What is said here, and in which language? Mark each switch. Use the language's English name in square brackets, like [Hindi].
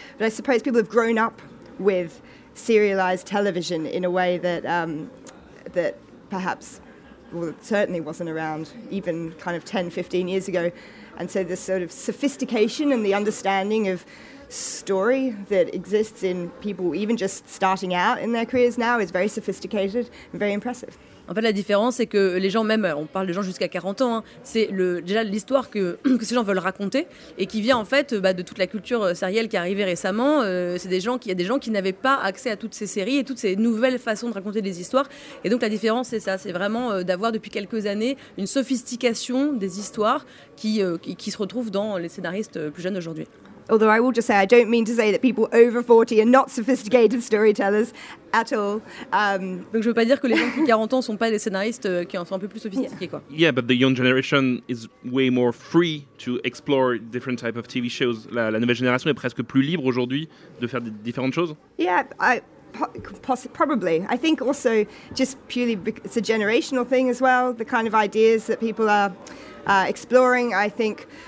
[English] But I suppose people have grown up with serialized television in a way that that perhaps, well, it certainly wasn't around even kind of 10, 15 years ago. And so this sort of sophistication and the understanding of story that exists in people even just starting out in their careers now is very sophisticated and very impressive. [French] En fait, la différence, c'est que les gens, même, on parle de gens jusqu'à 40 ans, hein, c'est déjà l'histoire que ces gens veulent raconter et qui vient en fait de toute la culture sérielle qui est arrivée récemment. Il y a des gens qui n'avaient pas accès à toutes ces séries et toutes ces nouvelles façons de raconter des histoires. Et donc, la différence, c'est ça. C'est vraiment d'avoir depuis quelques années une sophistication des histoires qui se retrouve dans les scénaristes plus jeunes aujourd'hui. [English] Although I will just say, I don't mean to say that people over 40 are not sophisticated storytellers at all. [French] Donc je veux pas dire que les gens plus de 40 ans sont pas des scénaristes qui en sont un peu plus sophistiqués, quoi. [English] Yeah, but the young generation is way more free to explore different types of TV shows. [French] La nouvelle génération est presque plus libre aujourd'hui de faire différentes choses. [English] Yeah, probably. I think also just purely it's a generational thing as well. The kind of ideas that people are exploring, I think.